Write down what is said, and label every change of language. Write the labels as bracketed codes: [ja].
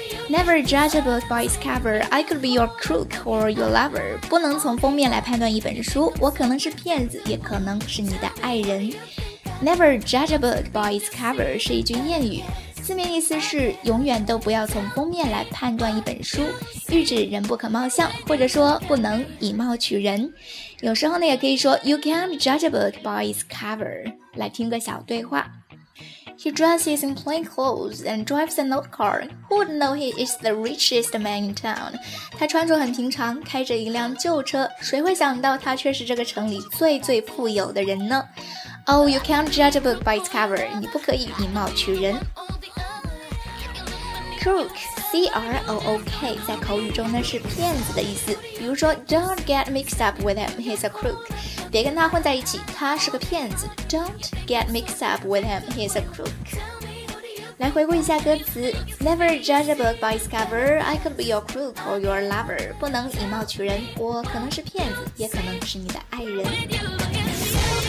[en] Never judge a book by its cover. I could be your crook or your lover. [zh] 不能从封面来判断一本书，我可能是骗子，也可能是你的爱人。 [en] Never judge a book by its cover [zh] 是一句谚语，字面意思是永远都不要从封面来判断一本书，喻指人不可貌相，或者说不能以貌取人。有时候呢，也可以说 [en] You can't judge a book by its cover. [zh] 来听个小对话。 [en] He dresses in plain clothes and drives an old car. Who would know he is the richest man in town? [zh] 他穿着很平常，开着一辆旧车，谁会想到他却是这个城里最最富有的人呢？ [en] Oh, you can't judge a book by its cover. [zh] 你不可以以貌取人。 Crook, C-R-O-O-K, 在口语中呢是骗子的意思。比如说 [en] Don't get mixed up with him, he's a crook. [zh] 别跟他混在一起，他是个骗子。 [en] Don't get mixed up with him, he's a crook. [zh] 来回顾一下歌词 [en] Never judge a book by its cover, I could be your crook or your lover. [zh] 不能以貌取人，我可能是骗子，也可能是你的爱人。